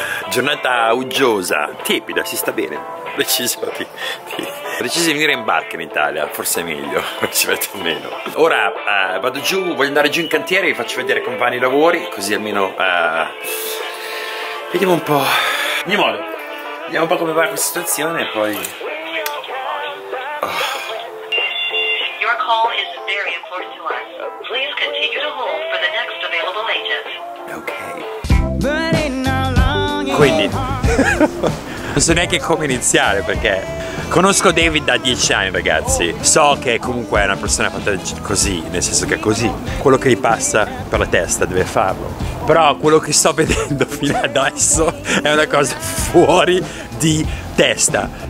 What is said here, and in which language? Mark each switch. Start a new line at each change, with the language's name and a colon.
Italian: Giornata uggiosa, tiepida, si sta bene. Ho deciso di venire in barca in Italia, forse è meglio, ci metto meno. Ora vado giù, voglio andare giù in cantiere, vi faccio vedere come vanno i lavori, così almeno vediamo un po'. Mi muore. Vediamo un po' come va questa situazione e poi.
English: Your call is very important to us. Please continue to hold for the next available agent.
Italian: Ok. Quindi non so neanche come iniziare, perché conosco David da 10 anni, ragazzi. So che comunque è una persona fatta così, nel senso che è così. Quello che gli passa per la testa deve farlo. Però quello che sto vedendo fino adesso è una cosa fuori di testa.